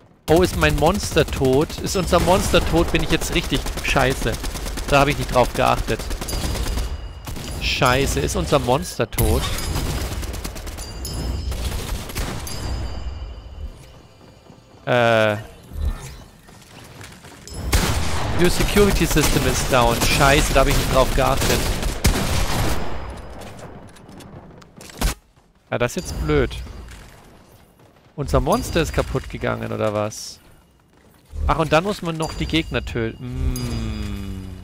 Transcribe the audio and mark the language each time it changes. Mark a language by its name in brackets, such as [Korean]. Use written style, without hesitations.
[German] Oh, ist mein Monster tot? Ist unser Monster tot? Bin ich jetzt richtig scheiße? Da habe ich nicht drauf geachtet. Scheiße, ist unser Monster tot? [English] Your security system is down. [German] Scheiße, da habe ich nicht drauf geachtet. Ja, das ist jetzt blöd. Unser Monster ist kaputt gegangen, oder was? Ach, und dann muss man noch die Gegner töten.